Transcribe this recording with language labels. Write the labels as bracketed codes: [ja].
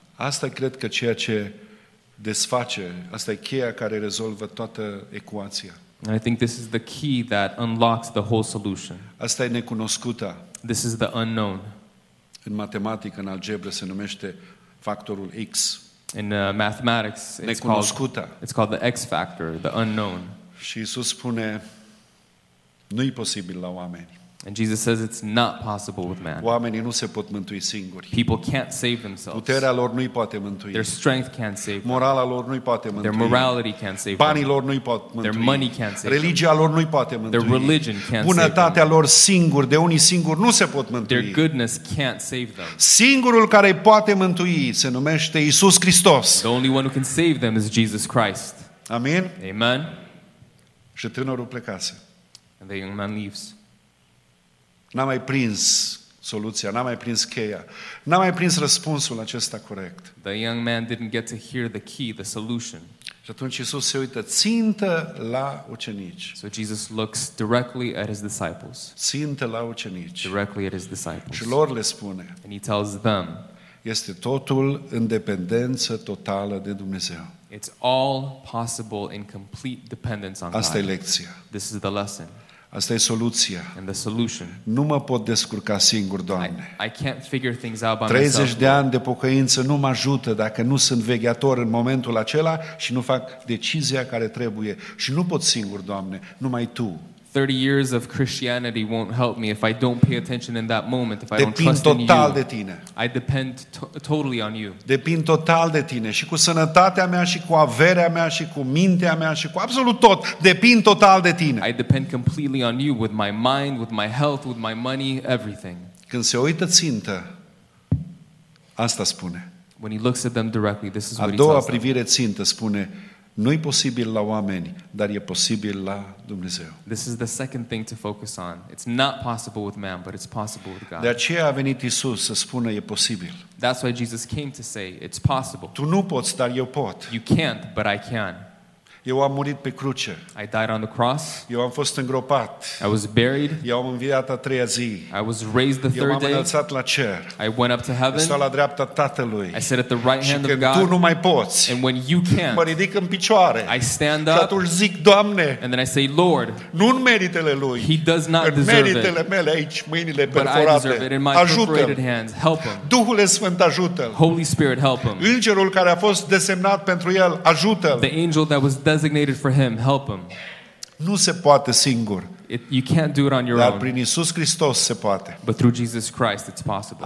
[ro] Asta cred că ceea ce desface, asta e cheia care rezolvă toată ecuația. [en] And I think this is the key that unlocks the whole solution. [ro] Asta e necunoscuta. [en] This is the unknown. [ro] În matematică, în algebră, se numește factorul X. [en] In mathematics, it's called the X factor, the unknown. [ro] Și Iisus spune, nu-i posibil la oameni. [en] And Jesus says it's not possible with man. [ro] Oamenii nu se pot mântui singuri. [en] People can't save themselves. [ro] Puterea lor nu-i poate mântui. [en] Their strength can't save them. [ro] Morala lor nu-i poate mântui. [en] Their morality can't save them. [ro] Banii lor nu-i pot mântui. [en] Their money can't save them. [ro] Religia lor nu-i poate mântui. [en] Their religion can't save them. [ro] Bunătatea lor singur, de unii singuri nu se pot mântui. [en] Their goodness can't save them. [ro] Singurul care îi poate mântui se numește Iisus Hristos. [en] The only one who can save them is Jesus Christ. [ro] Amen. [en] Amen. [ro] Și tânărul plecase. [en] And the young man leaves. [ro] N-a mai prins soluția, n-a mai prins cheia, n-a mai prins răspunsul acesta corect. [en] The young man didn't get to hear the key, the solution. [ro] Și atunci Iisus se uită țintă la ucenici. [en] So Jesus looks directly at his disciples. [ro] Țintă la ucenici. [en] Directly at his disciples. [ro] Și lor le spune. [en] And he tells them. [ro] Este totul în dependență totală de Dumnezeu. [en] It's all possible in complete dependence on God. [ro] Asta e lecția. [en] This is the lesson. [ro] Asta e soluția. [en] And the solution. [ro] Nu mă pot descurca singur, Doamne. [en] I can't figure things out by myself. [ro] 30 de ani de pocăință nu mă ajută dacă nu sunt veghetor în momentul acela și nu fac decizia care trebuie. Și nu pot singur, Doamne, numai Tu. [en] 30 years of Christianity won't help me if I don't pay attention in that moment, if I don't trust in you. [ro] Depind total de tine. [en] I depend totally on you. [ro] Depind total de tine și cu sănătatea mea și cu averea mea și cu mintea mea și cu absolut tot. Depind total de tine. [en] I depend completely on you with my mind, with my health, with my money, everything. [ro] Când se uită țintă, asta spune. [en] When he looks at them directly, this is what he tells them. [ro] A doua privire țintă spune, nu-i posibil la oameni, dar e posibil la Dumnezeu. [en] This is the second thing to focus on. It's not possible with man, but it's possible with God. [ro] De aceea a venit Iisus să spună, e posibil. [en] That's why Jesus came to say, it's possible. [ro] Tu nu poți, dar eu pot. [en] You can't, but I can. [ro] Eu am murit pe cruce. [en] I died on the cross. [ro] Eu am fost îngropat. [en] I was buried. [ro] Eu am înviat a treia zi. [en] I was raised the third day. [ro] Eu m-am înălțat la cer. [en] I went up to heaven. [ro] Stau la dreapta Tatălui. [en] I sit at the right hand of God. [ro] Și tu nu mai poți. [en] And when you can't. [ro] Mă ridic în picioare. [en] I stand up. [ro] Și atunci zic, Doamne. [en] And then I say, Lord. [ro] Nu în meritele lui. [en] He does not deserve it. [ro] În meritele mele aici, mâinile perforate. Ajută-l. Duhule Sfânt, ajută-l. [en] Holy Spirit, help him. [ro] Îngerul care a fost desemnat pentru el, ajută-l. [en] The angel that was designated for him, help him. [ro] Nu se poate singur. [en] You can't do it on your [ro] dar Dar prin Iisus Hristos se poate. [en] But through Jesus Christ it's possible.